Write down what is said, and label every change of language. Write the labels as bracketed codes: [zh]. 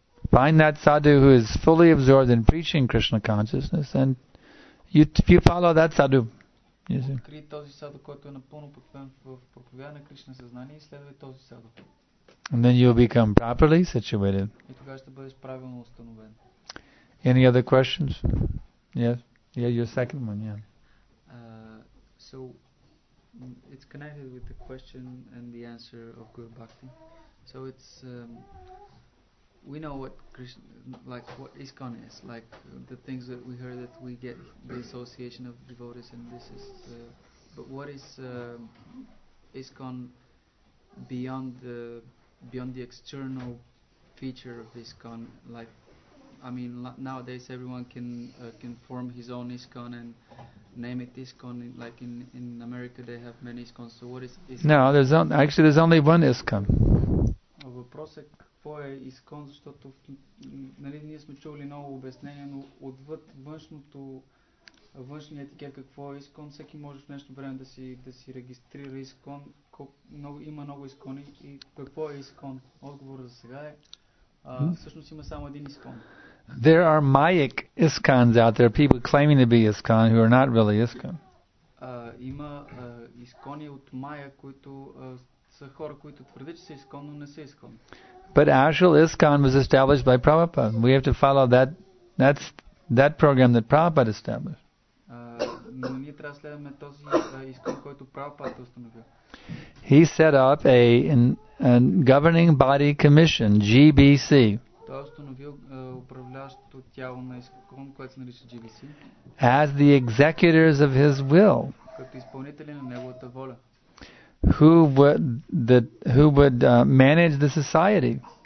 [en] Find that sadhu who is fully absorbed in preaching Krishna consciousness and you follow that sadhu. [bg] Откри този садо, който е напълно подпен в проповяда на Кришна съзнание и следвай този садо. [en] And then you'll become properly situated. [bg] И тогава ще бъдеш правилно установен. [en] Any other questions? Yes. Yeah, your second one, yeah. So, it's connected with the question and the answer of Guru Bhakti. So it's we know what Krishna, like what ISKCON is, like the things that we heard that we get the association of devotees, and this is the, but what is ISKCON beyond the external feature of ISKCON? Like, I mean, nowadays everyone can form his own ISKCON and name it ISKCON. Like in America, they have many ISKCONs. So what is ISKCON? No, there's only one ISKCON. [bg] Въпросът е какво е ИСКОН, защото нали, ние сме чували ново обяснение, но отвъд външния етикет какво е ИСКОН, всеки може в днешно време да си регистрира ИСКОН, има много ИСКОНи и какво е ИСКОН? Отговорът за сега е, всъщност има само един ИСКОН. [en] There are Mayic ISKCONs out there, people claiming to be ISKCON who are not really ISKCON. [bg] Има ИСКОНи от Майя, които хора, които твърдят, че са ИСКОН, но не са ИСКОН. [en] But actual ISKCON was established by Prabhupada. We have to follow that program that Prabhupada established. [bg] Но ние трябва да следваме този ИСКОН, който Prabhupada е установил. [en] He set up a governing body commission, GBC. [bg] Той установил управляващото тяло на ИСКОН, което се нарича GBC. [en] As the executors of his will. [bg] Като изпълнители на неговата воля. [en] Who would manage the society?